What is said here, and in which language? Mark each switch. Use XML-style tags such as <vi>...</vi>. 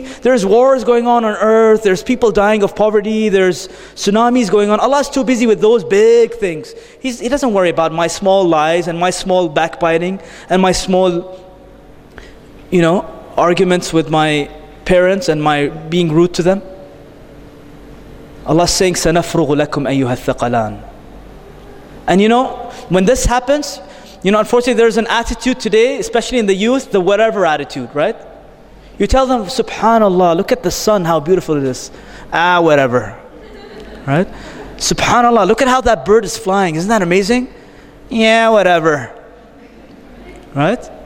<en>There's wars going on earth. There's people dying of poverty. There's tsunamis going on. Allah is too busy with those big things. He doesn't worry about my small lies and my small backbiting and my small, you know, arguments with my parents and my being rude to them? Allah is saying,</en> <ar>سَنَفْرُغُ لَكُمْ أَيُّهَا الثَّقَلَانِ.</ar> <en>And you know, when this happens, you know, unfortunately there's an attitude today, especially in the youth, the whatever attitude, right? You tell them, SubhanAllah, look at the sun, how beautiful it is. Ah, whatever. Right? SubhanAllah, look at how that bird is flying. Isn't that amazing? Yeah, whatever. Right?</en>